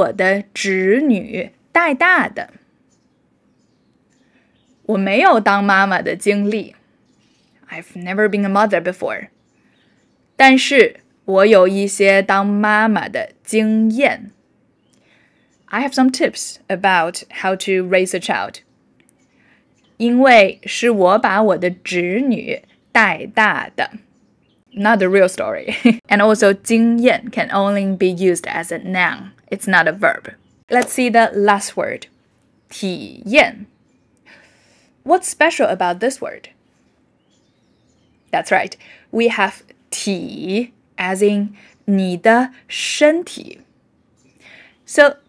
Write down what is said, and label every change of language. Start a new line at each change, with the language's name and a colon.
Chinese: 我没有当妈妈的经历,但是我有一些当妈妈的经验,因为是我把我的侄女带大的。我没有当妈妈的经历.
English: I've never been a mother before.
Chinese: 但是我有一些当妈妈的经验.
English: I have some tips about how to raise a child.
Chinese: 因为是我把我的侄女带大的.
English: Not the real story. And also 经验 can only be used as a noun. It's not a verb. Let's see the last word.
Chinese: 体验.
English: What's special about this word? That's right. We have 体, as in
Chinese: 你的身体.
English: So